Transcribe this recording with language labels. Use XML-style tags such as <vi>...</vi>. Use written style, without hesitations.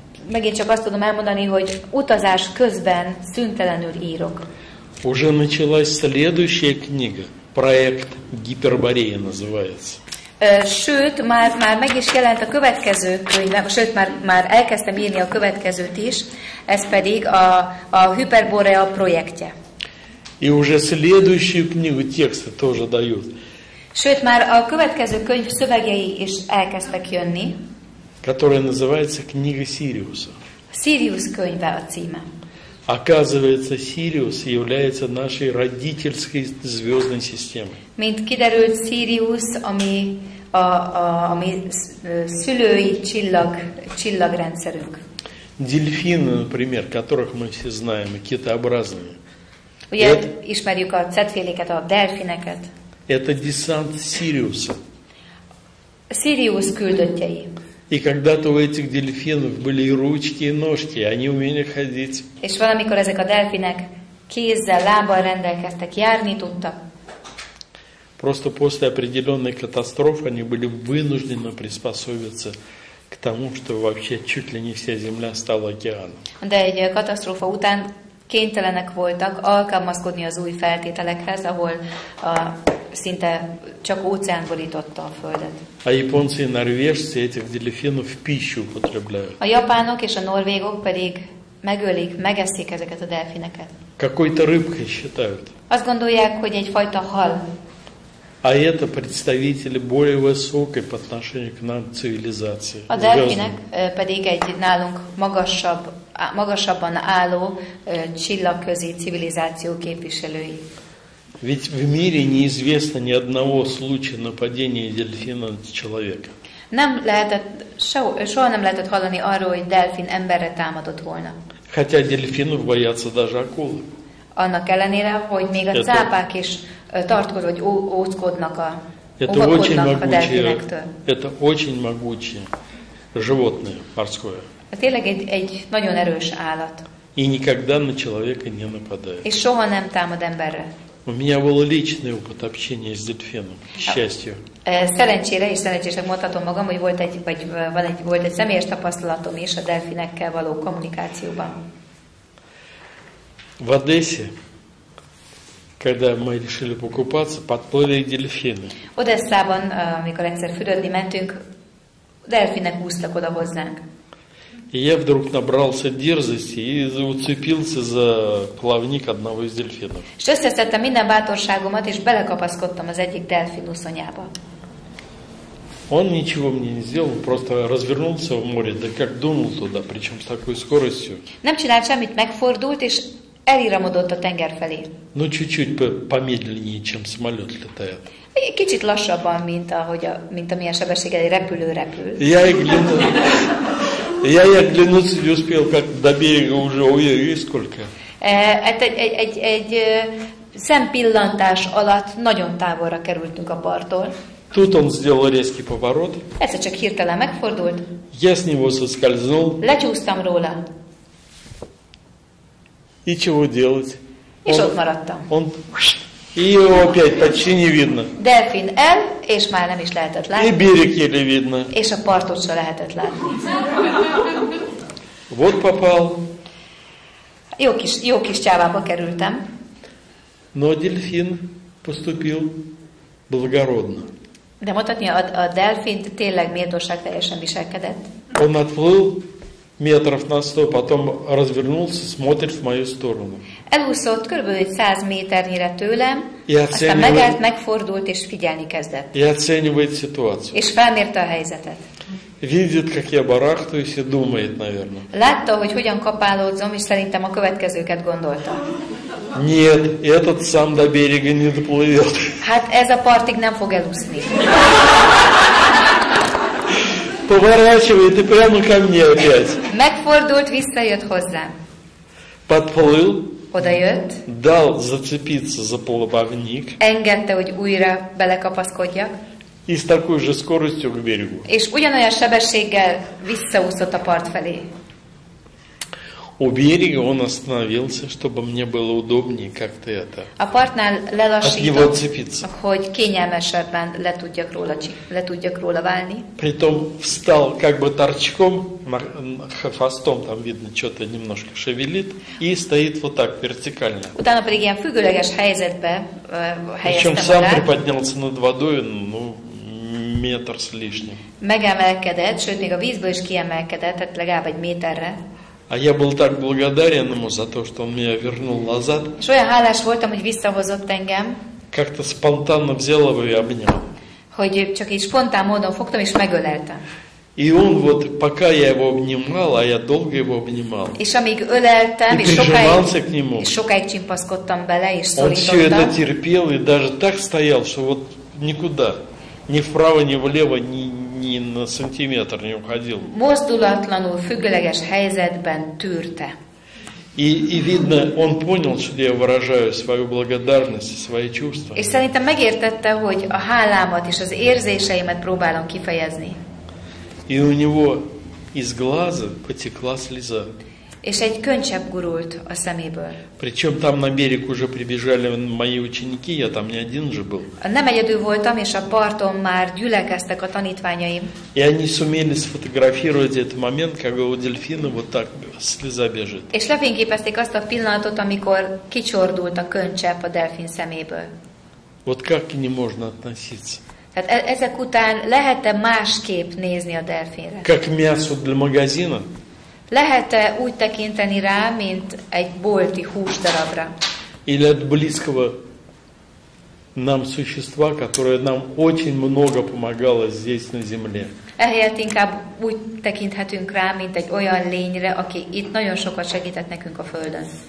<hu>Megint csak azt tudom elmondani, hogy utazás közben szüntelenül írok.</hu> <ru>Уже началась следующая книга, проект Гиперборея называется.</ru> <hu>Sőt, már meg is jelent a következő könyv, sőt, már elkezdtem írni a következőt is, ez pedig a Hyperborea projektje.</hu> <ru>И уже следующую книгу тексты тоже дают.</ru> <hu>Sőt, már a következő könyv szövegei is elkezdtek jönni.</hu> <ru>Которая называется книга Сириуса.</ru> <hu>Сириус könyve a címe.</hu> <ru>Оказывается, Сириус является нашей родительской звездной системой.</ru> <hu>Mint kiderült, Сириус, ami szülői csillagrendszerünk.</hu> <ru>Дельфины, например, которых мы все знаем, китообразные.</ru> <hu>Ugye, ismerjük a cetféléket, a delfineket.</hu> <ru>Это десант Сириуса.</ru> <hu>Сириус küldöttjei.</hu> <ru>И когда-то у этих дельфинов были и ручки, и ножки, и они умели ходить.</ru> <hu>És valamikor ezek a delfinek kézzel, lábbal rendelkeztek, járni tudtak.</hu> <ru>Просто после определенной катастрофы они были вынуждены приспособиться к тому, что вообще чуть ли не вся земля стала океаном.</ru> <hu>De egy katasztrófa után kénytelenek voltak alkalmazkodni az új feltételekhez, ahol szinte csak óceán borította a földet. A japánok és a norvégok</hu> <ru>этих дельфинов в пищу употребляют.</ru> <hu>A japánok és a norvégok pedig megölik, megeszik ezeket a delfineket.</hu> <ru>Какой-то рыбкой считают.</ru> <hu>Azt gondolják, hogy egyfajta hal.</hu> <ru>А это представители более высокой по отношению к нам цивилизации.</ru> <hu>A delfinek pedig egy nálunk magasabban álló csillagközi civilizáció képviselői.</hu> <ru>Ведь в мире неизвестно ни одного случая нападения дельфина на человека.</ru> <hu>Nem lehetett, soha nem lehetett hallani arról, hogy delfin emberre támadott volna.</hu> <ru>Хотя дельфинов боятся даже акулы.</ru> <hu>Annak ellenére, hogy még a cápák is tartkoznak, vagy óckodnak a delfinektől.</hu> <ru>Это очень могучее животное морское.</ru> <hu>Tényleg egy nagyon erős állat.</hu> <ru>И никогда на человека не нападает.</ru> <hu>És soha nem támad emberre.</hu> <ru>У меня был личный опыт общения с дельфином, к счастью.</ru> <hu>Szerencsére és szerencsések mondhatom magam, hogy volt egy, vagy van egy, volt egy személyes tapasztalatom is a delfinekkel való kommunikációban.</hu> <ru>В Одессе, когда мы решили покупаться, подплыли дельфины.</ru> <hu>Одессában, amikor egyszer fürödni mentünk, дельфинок úsztak oda hozzánk.</hu> <ru>И я вдруг набрался дерзости и уцепился за плавник одного из дельфинов.</ru> <hu>És összeszedtem minden bátorságomat, és belekapaszkodtam az egyik delfin úszonyába.</hu> <ru>Он ничего мне не сделал, просто развернулся в море, да как дунул туда, причем с такой скоростью.</ru> <hu>Nem csinált semmit, megfordult, és elíramodott a tenger felé.</hu> <ru>Ну, чуть-чуть помедленнее, чем самолет летает.</ru> <hu>Kicsit lassabban, mint, ahogy a, mint amilyen sebességgel egy repülő repül.</hu> <ru>Я и глянул. Я и оглянуться не успел, как до берега уже, ой-ой-ой, сколько. Это</ru> <hu>egy szempillantás alatt nagyon távolra kerültünk a parttól.</hu> <ru>Тут он сделал резкий поворот.</ru> <hu>Egyszer csak hirtelen megfordult.</hu> <ru>Я с него соскользнул.</ru> <hu>Lecsúsztam róla.</hu> <ru>И чего делать?</ru> <hu>És ott maradtam.</hu> <ru>Он... И его опять почти не видно.</ru> <hu>Дельфин L, és már nem is lehetett látni.</hu> <ru>И берег еле видно.</ru> <hu>És a partot se lehetett látni.</hu> <ru>Вот попал.</ru> <hu>Jó kis csávába kerültem.</hu> <ru>Но дельфин поступил благородно.</ru> <hu>De mondhatni, a дельфин tényleg méltóság teljesen viselkedett.</hu> <ru>Он отплыл метров на 100, потом развернулся, смотрит в мою сторону.</ru> <hu>Elúszott körülbelül 100 méternyire tőlem, aztán megállt, megfordult és figyelni kezdett.</hu> <ru>И оценивает ситуацию.</ru> <hu>És felmérte a helyzetet.</hu> <ru>Видит, как я барахтаюсь, и думает, наверное.</ru> <hu>Látta, hogy hogyan kapálódzom, és szerintem a következőket gondolta.</hu> <ru>Нет, этот сам до берега не доплывет.</ru> <hu>Hát ez a partig nem fog elúszni.</hu> <ru>Поворачивает и прямо ко мне опять.</ru> <hu>Megfordult, visszajött hozzám.</hu> <ru>Подплыл.</ru> <hu>Odajött.</hu> <ru>Дал зацепиться за плавник.</ru> <hu>Engedte, hogy újra belekapaszkodjak.</hu> <ru>И с такой же скоростью к берегу.</ru> <hu>És ugyanolyan sebességgel visszaúszott a part felé.</hu> <ru>У берега он остановился, чтобы мне было удобнее как-то это.</ru> <hu>A partnál lelassított,</hu> <ru>от него отцепиться.</ru> <hu>Hogy kényelmesebben le tudjak róla válni.</hu> <ru>Притом встал как бы торчком, хвостом там видно, что-то немножко шевелит, и стоит вот так вертикально.</ru> <hu>Utána pedig ilyen függőleges helyzetbe helyeztem magát.</hu> <ru>Причем сам приподнялся над водой, ну, метр с лишним.</ru> <hu>Megemelkedett, sőt, még a vízből is kiemelkedett, tehát legalább egy méterre.</hu> <ru>А я был так благодарен ему за то, что он меня вернул назад.</ru> <hu>Olyan hálás voltam, hogy visszahozott engem.</hu> <ru>Как-то спонтанно взял его и обнял.</ru> <hu>Hogy csak így spontán módon fogtam és megöleltem.</hu> <ru>И он вот, пока я его обнимал, а я долго его обнимал.</ru> <hu>És amíg öleltem,</hu> <ru>и прижимался к нему.</ru> <hu>És sokáig csimpaszkodtam bele, és szorítottam.</hu> <ru>Он все это терпел и даже так стоял, что вот никуда. Ни вправо, ни влево, ни на сантиметр не уходил.</ru> <hu>Mozdulatlanul, függőleges helyzetben tűrte.</hu> <ru>И видно, он понял, что я выражаю свою благодарность и свои чувства.</ru> <hu>És szerintem megértette, hogy a hálámat és az érzéseimet próbálom kifejezni.</hu> <ru>И у него из глаза потекла слеза.</ru> <hu>És egy könycsepp gurult a szeméből.</hu> <ru>Причем там на берег уже прибежали мои ученики, я там не один же был.</ru> <hu>Nem egyedül voltam, és a parton már gyülekeztek a tanítványaim.</hu> <ru>И они сумели сфотографировать этот момент, когда у дельфина вот так слеза бежит.</ru> <hu>És lefényképezték azt a pillanatot, amikor kicsordult a könycsepp a delfin szeméből.</hu> <ru>Вот как к ним можно относиться?</ru> <hu>Tehát ezek után lehet-e másképp nézni a delfinre?</hu> <ru>Как мясо для магазина?</ru> <hu>Lehet-e úgy tekinteni rá, mint egy bolti húsdarabra?</hu> <ru>Или от близкого нам существа, которое нам очень много помогало здесь на земле.</ru> <hu>Ehelyett inkább úgy tekinthetünk rá, mint egy olyan lényre, aki itt nagyon sokat segített nekünk a Földön.</hu>